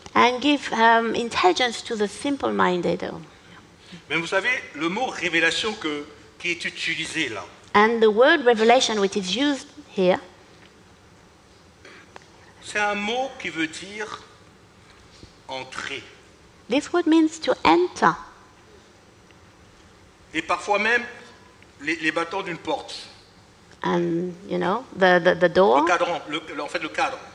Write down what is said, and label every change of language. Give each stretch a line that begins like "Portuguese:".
English: And give intelligence to the simple-minded.
French: Mais vous savez, le mot révélation qui est utilisé là.
English: And the word revelation which is used here.
French: C'est un mot qui veut dire entrer.
English: This word means to enter.
French: Et parfois même les battants d'une porte.
English: And you know the door.
French: Le cadran, en fait le cadre.